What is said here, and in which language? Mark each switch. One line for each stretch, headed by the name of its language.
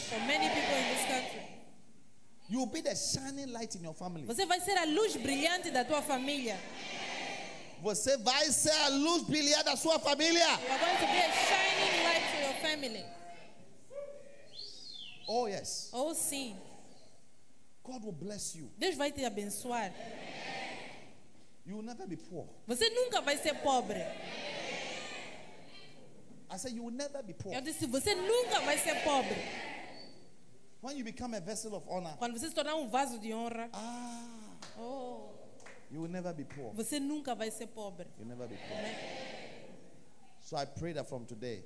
English: For many people in this country. You will be the shining light in your family.
Portuguese: Você vai ser a luz brilhante da tua família. Você vai ser a luz brilhante da sua família.
English: You're going to be a shining light for your family. Oh yes.
Portuguese: Oh sim.
English: God will bless you.
Portuguese: Deus vai te abençoar.
English: You will never be poor.
Portuguese: Você nunca vai ser pobre.
English: I said you will never be poor.
Portuguese: Eu disse você nunca vai ser pobre.
English: When you become a vessel of honor.
Portuguese: Quando você se tornar um vaso de honra. Ah. Oh.
English: You will never be poor.
Portuguese: Você nunca vai ser pobre.
English: You'll never be poor. So I pray that from today.